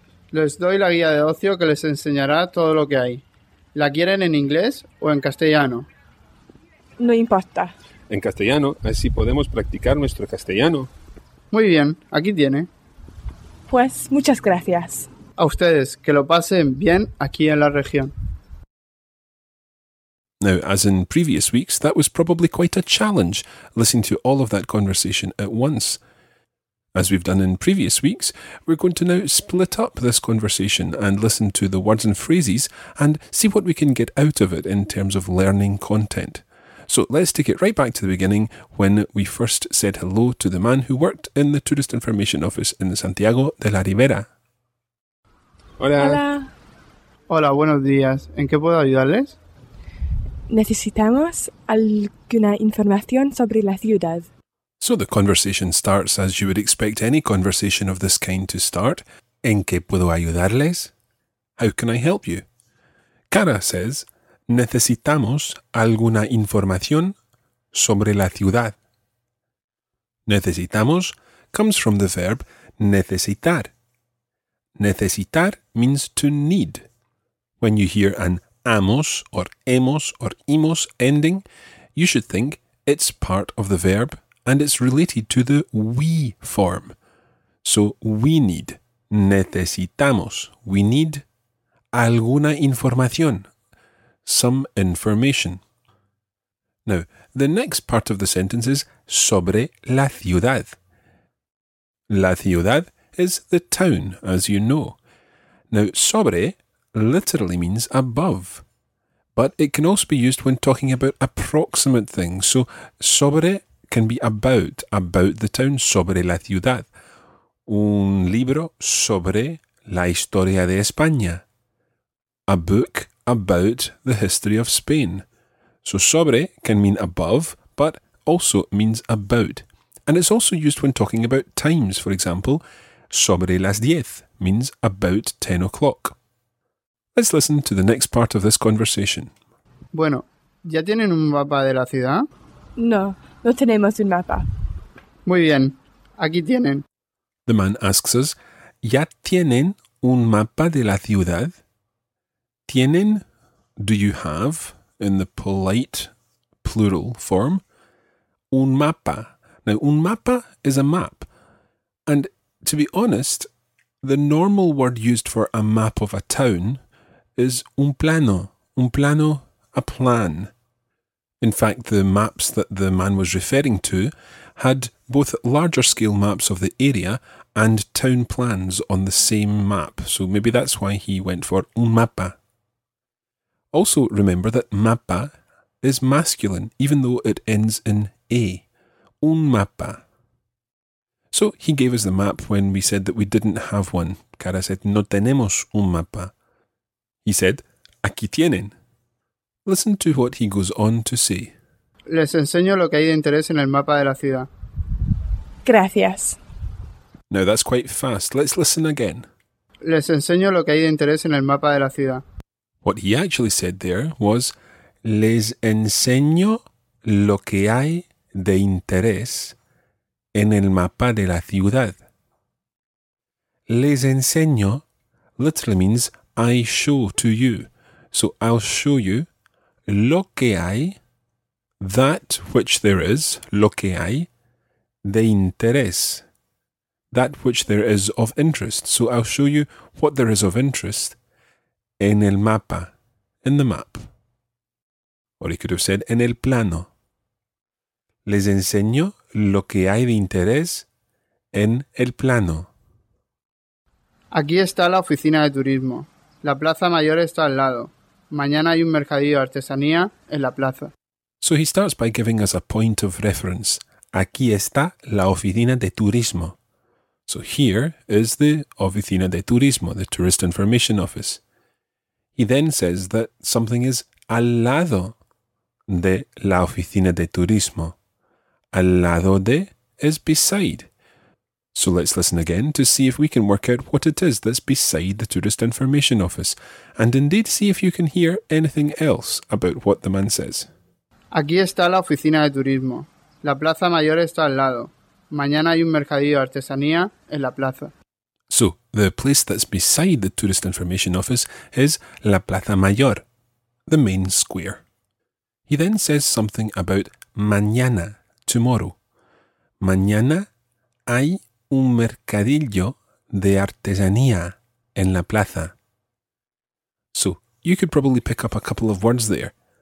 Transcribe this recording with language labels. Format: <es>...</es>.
<es>Les doy la guía de ocio que les enseñará todo lo que hay. ¿La quieren en inglés o en castellano? No importa. En castellano, así podemos practicar nuestro castellano. Muy bien, aquí tiene. Pues, muchas gracias. A ustedes, que lo pasen bien aquí en la región.</es> <en>Now, as in previous weeks, that was probably quite a challenge, listening to all of that conversation at once. As we've done in previous weeks, we're going to now split up this conversation and listen to the words and phrases and see what we can get out of it in terms of learning content. So let's take it right back to the beginning when we first said hello to the man who worked in the Tourist Information Office in Santiago de la Ribera.</en> <es>Hola. Hola. Hola, buenos días. ¿En qué puedo ayudarles? Necesitamos alguna información sobre la ciudad.</es> <en>So the conversation starts as you would expect any conversation of this kind to start.</en> <es>¿En qué puedo ayudarles?</es> <en>How can I help you? Cara says,</en> <es>Necesitamos alguna información sobre la ciudad.</es> <en>Necesitamos comes from the verb necesitar. Necesitar means to need. When you hear an amos or hemos or imos ending, you should think it's part of the verb and it's related to the we form. So we need, necesitamos, we need</en> <es>alguna información,</es> <en>some information. Now, the next part of the sentence is sobre la ciudad. La ciudad is the town, as you know. Now, sobre literally means above, but it can also be used when talking about approximate things. So, sobre can be about the town,</en> <es>sobre la ciudad. Un libro sobre la historia de España.</es> <en>A book about the history of Spain. So, sobre can mean above, but also means about. And it's also used when talking about times. For example,</en> <es>sobre las diez</es> <en>means about 10 o'clock. Let's listen to the next part of this conversation.</en> <es>Bueno, ¿ya tienen un mapa de la ciudad? No, no tenemos un mapa. Muy bien, aquí tienen.</es> <en>The man asks us,</en> <es>¿ya tienen un mapa de la ciudad?</es> <en>¿Tienen? Do you have? In the polite plural form. Un mapa. Now, un mapa is a map. And to be honest, the normal word used for a map of a town is un plano.</en> <es>Un plano,</es> <en>a plan. In fact, the maps that the man was referring to had both larger scale maps of the area and town plans on the same map. So maybe that's why he went for un mapa. Also remember that mapa is masculine, even though it ends in a. Un mapa. So he gave us the map when we said that we didn't have one. Cara said,</en> <es>no tenemos un mapa.</es> <en>He said,</en> <es>aquí tienen.</es> <en>Listen to what he goes on to say.</en> <es>Les enseño lo que hay de interés en el mapa de la ciudad. Gracias.</es> <en>Now that's quite fast. Let's listen again.</en> <es>Les enseño lo que hay de interés en el mapa de la ciudad.</es> <en>What he actually said there was,</en> <es>les enseño lo que hay de interés en el mapa de la ciudad. Les enseño</es> <en>literally means I show to you. So I'll show you</en> <es>lo que hay,</es> <en>that which there is, lo que hay,</en> <es>de interés,</es> <en>that which there is of interest. So I'll show you what there is of interest.</en> <es>En el mapa,</es> <en>in the map. Or he could have said,</en> <es>en el plano. Les enseño lo que hay de interés en el plano. Aquí está la oficina de turismo. La plaza mayor está al lado. Mañana hay un mercadillo de artesanía en la plaza.</es> <en>So he starts by giving us a point of reference.</en> <es>Aquí está la oficina de turismo.</es> <en>So here is the</en> <es>oficina de turismo,</es> <en>the tourist information office. He then says that something is</en> <es>al lado de la oficina de turismo. Al lado de</es> <en>is beside. So let's listen again to see if we can work out what it is that's beside the tourist information office. And indeed see if you can hear anything else about what the man says.</en> <es>Aquí está la oficina de turismo. La plaza mayor está al lado. Mañana hay un mercadillo de artesanía en la plaza.</es> <en>So, the place that's beside the tourist information office is</en> <es>La Plaza Mayor,</es> <en>the main square. He then says something about mañana, tomorrow.</en> <es>Mañana hay un mercadillo de artesanía en la plaza.</es> <en>So, you could probably pick up a couple of words there.</en>